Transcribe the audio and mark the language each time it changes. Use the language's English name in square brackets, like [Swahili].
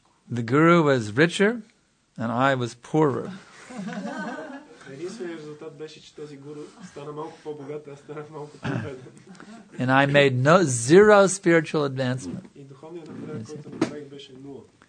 [English] The guru was richer, and I was poorer. [Bulgarian] Единственият резултат беше, че този гуру стана малко по-богат, аз станах малко по-беден. [English] And I made no zero spiritual advancement. [Bulgarian] И духовният напредък, който направих, беше нула.